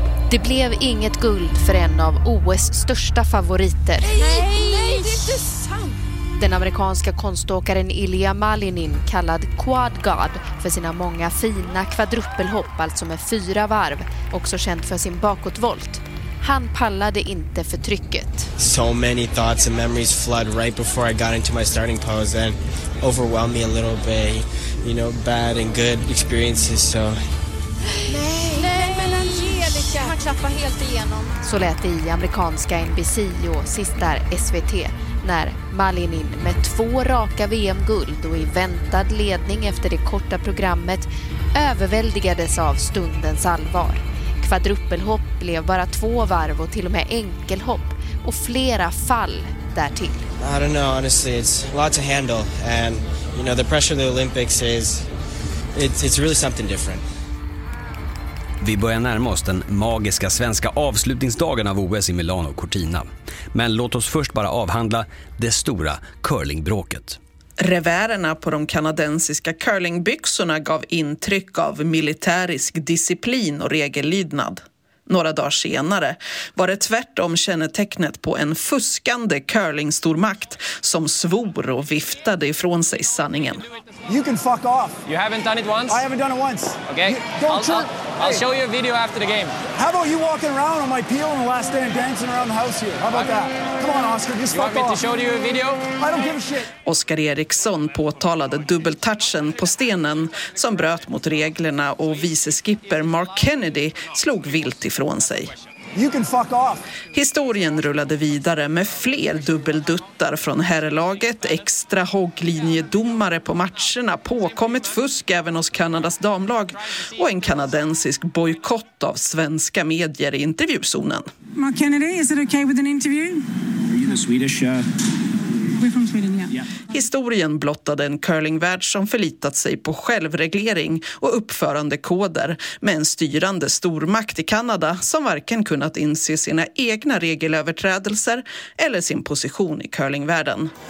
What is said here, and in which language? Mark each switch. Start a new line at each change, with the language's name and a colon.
Swedish: Det blev inget guld för en av OS största favoriter. Nej, det är inte sant! Den amerikanska konståkaren Ilja Malinin, kallad Quad God, för sina många fina kvadruppelhopp, alltså med fyra varv, också känd för sin bakåtvolt. Han pallade inte för trycket.
English: So many thoughts and memories flood right before I got into my starting pose and overwhelmed me a little bit. You know, bad and good experiences, so...
Swedish: Så lät det i amerikanska NBC och sist där SVT när Malinin med två raka VM-guld och i väntad ledning efter det korta programmet överväldigades av stundens allvar. Kvadruppelhopp blev bara två varv och till och med enkelhopp och flera fall därtill.
English: I don't know, honestly, it's a lot to handle and you know the pressure of the Olympics is it's really something different.
Swedish: Vi börjar närma oss den magiska svenska avslutningsdagen av OS i Milano och Cortina. Men låt oss först bara avhandla det stora curlingbråket. Revärerna på de kanadensiska curlingbyxorna gav intryck av militärisk disciplin och regellydnad. Några dagar senare var det tvärtom kännetecknet på en fuskande curlingstormakt som svor och viftade ifrån sig sanningen.
English: You can fuck off. You haven't done it once? I haven't done it once. Okay. I'll show you a video after the game. How about you walking around on my peel on the last day and dancing around the house here? How about that? Come on, Oscar, just fuck off. You want me to show you a video? I don't give a shit.
Swedish: Oscar Eriksson påtalade dubbeltouchen på stenen som bröt mot reglerna och viceskipper Mark Kennedy slog vilt ifrån sig.
English: You can fuck off.
Swedish: Historien rullade vidare med fler dubbelduttar från herrelaget, extra hogglinjedomare på matcherna, påkommit fusk även hos Kanadas damlag och en kanadensisk bojkott av svenska medier i intervjuzonen.
English: Mark Kennedy, is it okay with an interview? Are you the Swedish? We're from Sweden, yeah.
Swedish: Historien blottade en curlingvärld som förlitat sig på självreglering och uppförande koder med en styrande stormakt i Kanada som varken kunnat inse sina egna regelöverträdelser eller sin position i curlingvärlden.